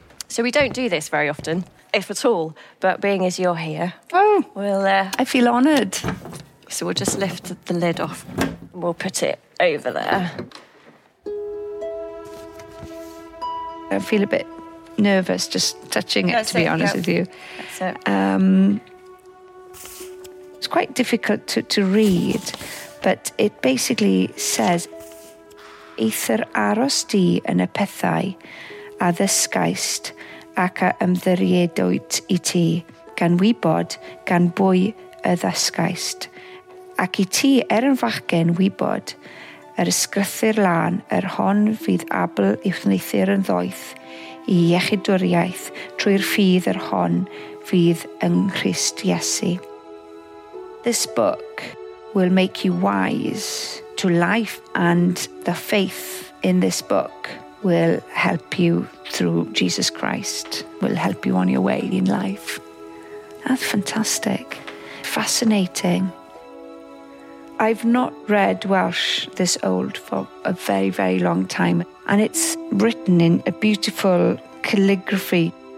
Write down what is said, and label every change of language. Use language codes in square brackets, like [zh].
[en] So we don't do this very often, if at all, but being as you're here... Oh, we'll, I feel honoured. So we'll just lift the lid off and we'll put it over there. I feel a bit nervous just touching it, to be honest with you. That's it. It's quite difficult to read, but it basically says, [cy] Aether aros di yn y pethau a ddysgaist ac a ymddiriedwyd i ti gan wybod gan bwy y ddysgaist ac i ti yn fachgen wybod yr ysgrythu'r lan yr hon fydd abl i'w wneithir yn ddoeth i iechydwriaeth trwy'r ffydd yr hon fydd yng Nghrist Iesu. [en] This book will make you wise to life, and the faith in this book will help you through Jesus Christ, will help you on your way in life. That's fantastic. Fascinating. I've not read Welsh this old for a very, very long time, and it's written in a beautiful calligraphy.